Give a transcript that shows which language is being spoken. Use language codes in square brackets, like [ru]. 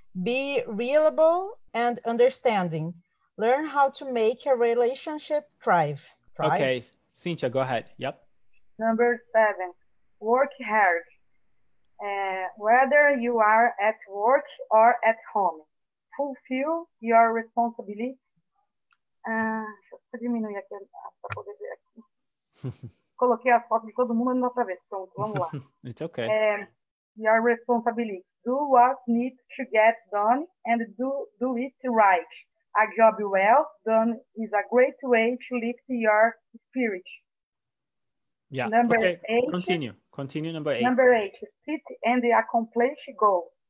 [en] Be reliable and understanding. Learn how to make a relationship thrive. Okay, Cynthia, go ahead. Yep. Number seven, work hard. Whether you are at work or at home, fulfill your responsibility. [pt] Deixa eu diminuir aqui para poder ver aqui. Coloquei a foto de todo mundo, não dá para ver. Pronto, vamos lá. [en] It's okay. Your responsibility. Do what needs to get done and do it right. A job well done is a great way to lift your spirit. Yeah. Number eight. Continue number eight. Number eight. Sit and accomplish goals.